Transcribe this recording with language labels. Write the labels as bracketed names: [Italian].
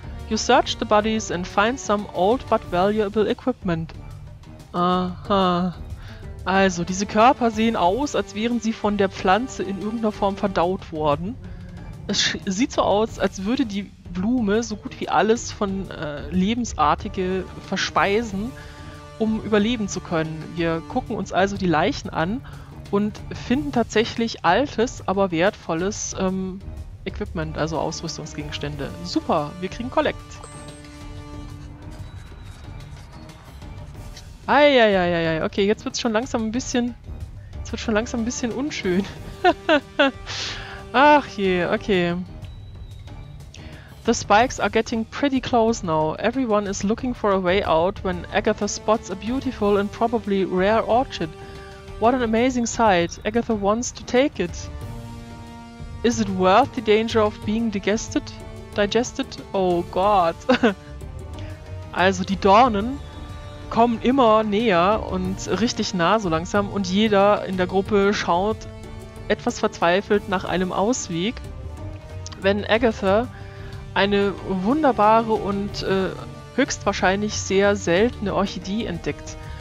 [English] You search the bodies and find some old but valuable equipment. Aha. [German] Also, diese Körper sehen aus, als wären sie von der Pflanze in irgendeiner Form verdaut worden. Es sieht so aus, als würde die Blume so gut wie alles von Lebensartige verspeisen, um überleben zu können. Wir gucken uns also die Leichen an und finden tatsächlich altes, aber wertvolles Equipment, also Ausrüstungsgegenstände. Super, wir kriegen Collect. Eieieiei, okay, jetzt wird's schon langsam ein bisschen. Jetzt wird schon langsam ein bisschen unschön. Ach je, okay. [English] The spikes are getting pretty close now. Everyone is looking for a way out when Agatha spots a beautiful and probably rare orchid. What an amazing sight. Agatha wants to take it. Is it worth the danger of being digested? Digested? Oh God. [German] Also die Dornen kommen immer näher und richtig nah so langsam und jeder in der Gruppe schaut etwas verzweifelt nach einem Ausweg. Wenn Agatha eine wunderbare und höchstwahrscheinlich sehr seltene Orchidee entdeckt.